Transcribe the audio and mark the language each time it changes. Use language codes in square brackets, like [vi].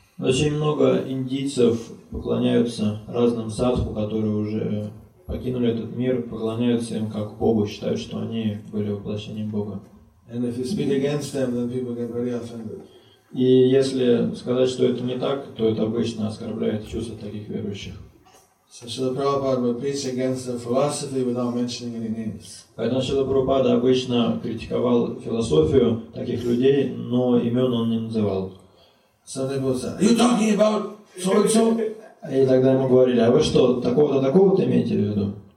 [ru] Очень много индийцев поклоняются разным садху, которые уже покинули этот мир, поклоняются им как Богу, считают, что они были воплощением Бога. [en] And if you speak against them, then people get very offended. [ru] И если сказать, что это не так, то это обычно оскорбляет чувства таких верующих. [en] So Śrīla Prabhupāda would preach against their philosophy without mentioning any names. [ru] Поэтому Śrīla Prabhupāda обычно критиковал философию таких людей, но имен он не называл. [en] Some people say, "Are you talking about so and so?" [ru] И тогда ему говорили: "А вы что, такого-то такого-то имеете в виду?"